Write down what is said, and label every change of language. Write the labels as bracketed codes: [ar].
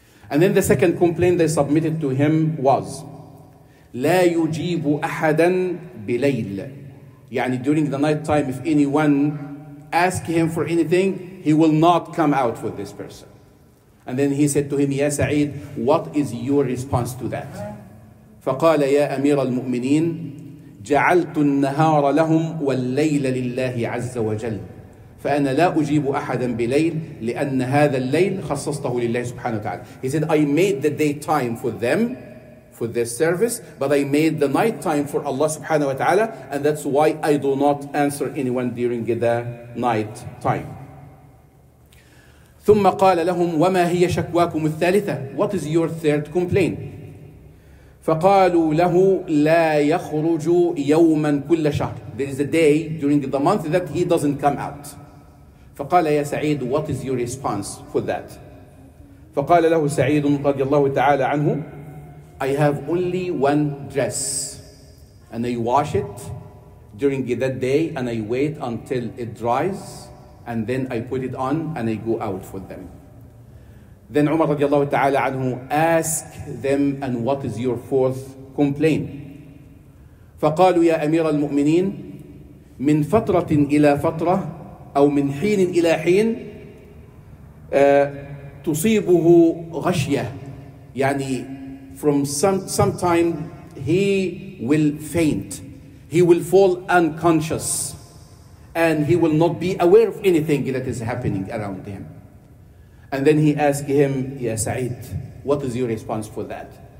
[en] And then the second complaint they submitted to him was, [ar] لا يجيب أحدا بليل. [en] يعني during the night time, if anyone asks him for anything, he will not come out for this person. And then he said to him, يا سعيد, what is your response to that? [ar] فقال يا أمير المؤمنين جعلت النهار لهم والليل لله عز وجل فأنا لا أجيب أحدا بليل لأن هذا الليل خصصته لله سبحانه وتعالى. [en] He said, I made the daytime for them, for their service, but I made the night time for Allah subhanahu wa ta'ala, and that's why I do not answer anyone during the night time. [ar] ثم قال لهم وما هي شكواكم الثالثة, [en] what is your third complaint? [ar] فقالوا له لا يخرج يوما كل شهر. [en] There is a day during the month that he doesn't come out. [ar] فقال يا سعيد, [en] what is your response for that? [ar] فقال له سعيد [en] رضي الله تعالى عنه, I have only one dress and I wash it during that day and I wait until it dries and then I put it on and I go out for them. Then Umar radiallahu ta'ala anhu asked them, and what is your fourth complaint? [ar] فقالوا يا أمير المؤمنين من فترة إلى فترة أو من حين إلى حين تصيبه غشية. [en] يعني from some time he will faint, he will fall unconscious, and he will not be aware of anything that is happening around him. And then he asked him, يا سعيد, what is your response for that?